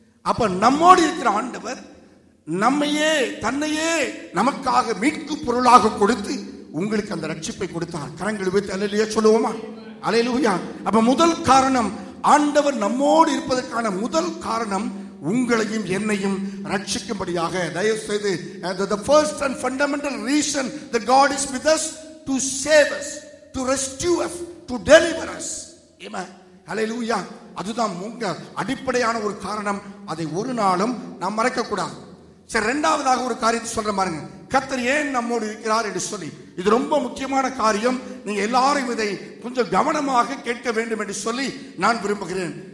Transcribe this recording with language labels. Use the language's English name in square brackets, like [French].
[Tamil] அப்ப நம்மோடு இருக்கிற ஆண்டவர் நம்மையே, தன்னையே நமக்காக மீட்கும் பொருளாக கொடுத்து உங்களுக்கு அந்த ரட்சிப்பை கொடுத்தார். கரங்களை வைத்து அல்லேலூயா சொல்லுவோமா? அல்லேலூயா. அப்ப முதல் காரணம், ஆண்டவர் நம்மோடு இருப்பதற்கான முதல் காரணம் உங்களையும் என்னையும் ரட்சிக்கும்படியாக. தயவு செய்து, [English] the first and fundamental reason that God is with us to save us, to rescue us, to deliver us. [Tamil] ஆமென். அல்லேலூயா. அதுதான் உங்க அடிப்படையான ஒரு காரணம். அதை ஒரு நாளும் நாம் மறக்க கூடாது. சரி, ரெண்டாவதாக ஒரு காரியத்தை சொல்ற பாருங்க, கர்த்தர் ஏன் நம்மோடு இருக்கிறார் என்று சொல்லி. இது ரொம்ப முக்கியமான காரியம், நீங்க எல்லாரும் இதை கொஞ்சம் கவனமாக கேட்க வேண்டும் என்று சொல்லி நான் விரும்புகிறேன்.